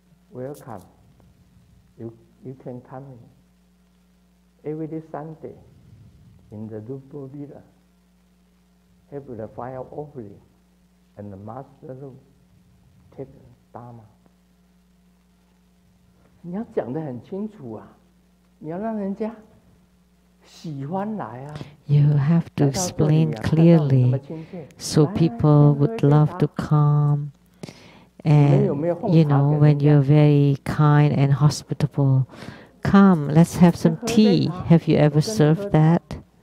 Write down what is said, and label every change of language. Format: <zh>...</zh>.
<en>Welcome. You can come in. Every Sunday in the Rupa Villa, have the fire offering and the Master Lu take Dharma.</en> <zh>你要讲得很清楚啊，你要让人家</zh> <en>You have to explain clearly so people would love to come. And you know, when you're very kind and hospitable, come, let's have some tea. Have you ever served that?</en>